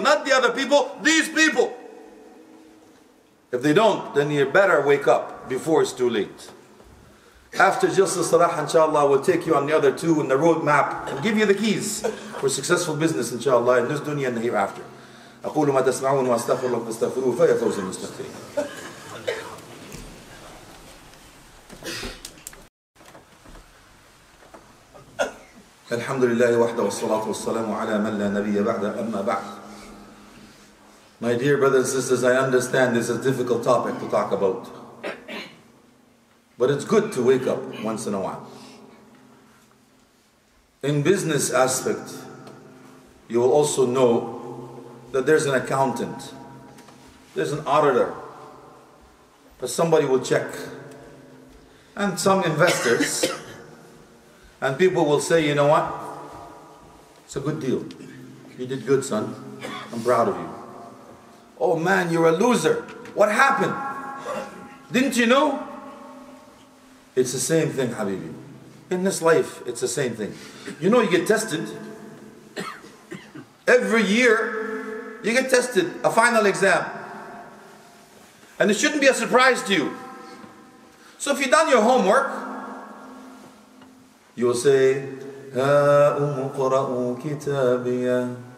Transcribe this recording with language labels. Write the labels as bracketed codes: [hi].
[en] Not the other people, these people. If they don't, then you better wake up before it's too late. After Jalsa Salah, inshallah, we'll take you on the other two in the roadmap and give you the keys for successful business, inshallah, in this dunya and the hereafter. [ar] أقول ما تسمعون وأستغفر لكم استغفروا فيا فوز المستغفرين. الحمد لله وحده والصلاة والسلام على من لا نبي بعد أما بعد. [en] My dear brothers and sisters, I understand this is a difficult topic to talk about. But it's good to wake up once in a while. In business aspect, you will also know that there's an accountant, there's an auditor, that somebody will check, and some investors, and people will say, you know what? It's a good deal. You did good, son. I'm proud of you. Oh man, you're a loser. What happened? Didn't you know? It's the same thing, Habibi. In this life, it's the same thing. You know, you get tested. Every year, you get tested, a final exam. And it shouldn't be a surprise to you. So if you've done your homework, you'll say, [ar] ها أقرأ كتابي.